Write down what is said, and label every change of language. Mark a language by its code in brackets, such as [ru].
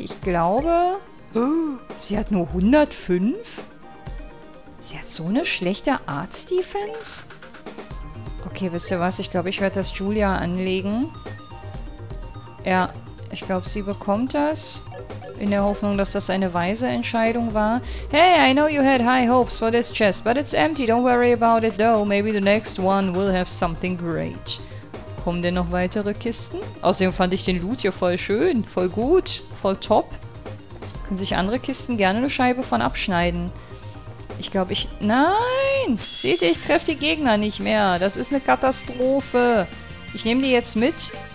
[de] Ich glaube, sie hat nur 105? Sie hat so eine schlechte Arts-Defense? Okay, wisst ihr was? Ich glaube, ich werde das Julia anlegen. Ja, ich glaube, sie bekommt das. In der Hoffnung, dass das eine weise Entscheidung war. [en] Hey, I know you had high hopes for this chest, but it's empty. Don't worry about it though. Maybe the next one will have something great. [de] Kommen denn noch weitere Kisten? Außerdem fand ich den Loot hier voll schön, voll gut, voll top. Können sich andere Kisten gerne eine Scheibe von abschneiden. Ich glaube, ich... Nein! Seht ihr, ich treffe die Gegner nicht mehr. Das ist eine Katastrophe. Ich nehme die jetzt mit.